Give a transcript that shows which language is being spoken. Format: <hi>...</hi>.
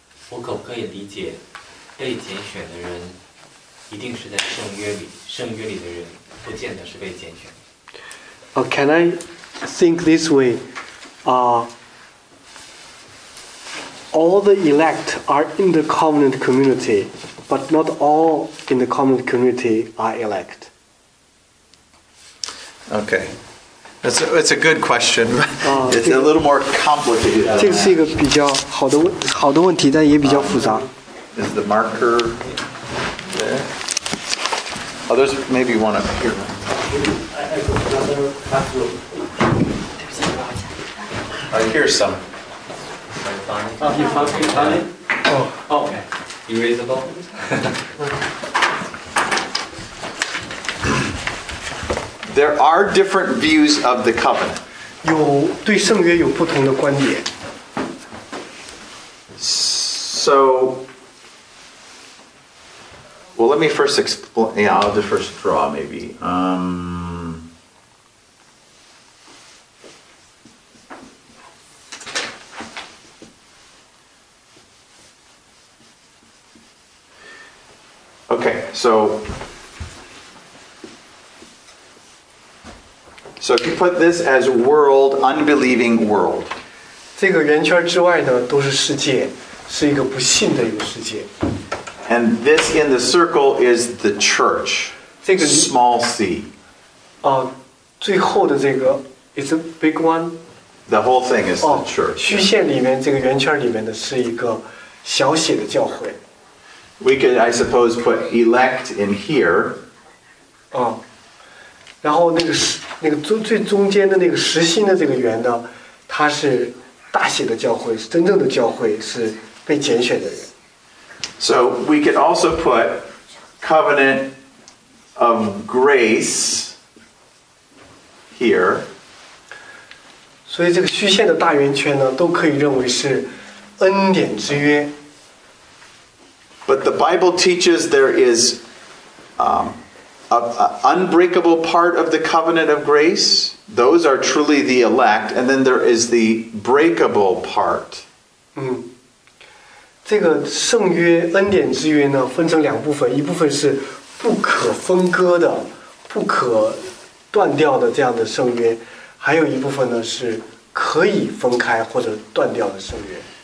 <zh>我可不可以理解，被拣选的人一定是在圣约里，圣约里的人不见得是被拣选的。</zh> <en>Can I think this way, all the elect are in the covenant community, but not all in the covenant community are elect. Okay, that's a good question. It's a little more complicated.</en> <zh>这是一个比较好的问题，但也比较复杂。</zh> <en>Is the marker there? Oh, there's maybe one up here. I have another classroom. Here's some. Oh, you found it? Oh, okay. You raise the ball? There are different views of the covenant.</en> <zh>有对圣约有不同的观点。</zh> <en>So, well, let me first explain. Yeah, I'll just first draw maybe. Okay, so if you put this as world, unbelieving world.</en> <zh>这个圆圈之外呢，都是世界，是一个不信的一个世界。</zh> <en>And this in the circle is the church.</en> <zh>这个</zh> <en>small c. 最后的这个 is a big one. The whole thing is the church.</en> <zh>虚线里面这个圆圈里面的是一个小写的教会。</zh> <en>We could, I suppose, put elect in here.</en> <zh>然后那个最中间的那个实心的这个圆呢，它是大写的教会，是真正的教会，是被拣选的人。</zh> <en>So we could also put covenant of grace here.</en> <zh>所以这个虚线的大圆圈呢，都可以认为是恩典之约。</zh> <en>But the Bible teaches there is unbreakable part of the covenant of grace, those are truly the elect, and then there is the breakable part.</en> <zh>这个圣约恩典之约呢，分成两部分，一部分是不可分割的、不可断掉的这样的圣约，还有一部分呢是可以分开或者断掉的圣约。</zh>